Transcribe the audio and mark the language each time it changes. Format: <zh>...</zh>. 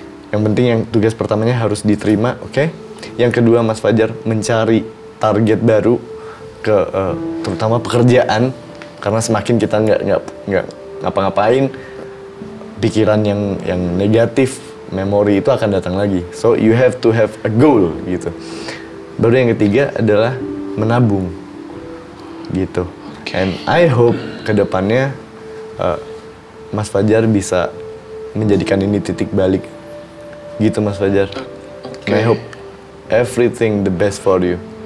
<id>Yang penting yang tugas pertamanya harus diterima, oke? Yang kedua Mas Fajar mencari target baru ke terutama pekerjaan, karena semakin kita nggak ngapa-ngapain, pikiran yang negatif, memori itu akan datang lagi.</id> <en>So you have to have a goal gitu.</en> <id>Baru yang ketiga adalah menabung gitu.</id> <en>And I hope</en> <id>kedepannya Mas Fajar bisa menjadikan ini titik balik. Gitu Mas Fajar. Okay.</id> <en>I hope everything the best for you.</en>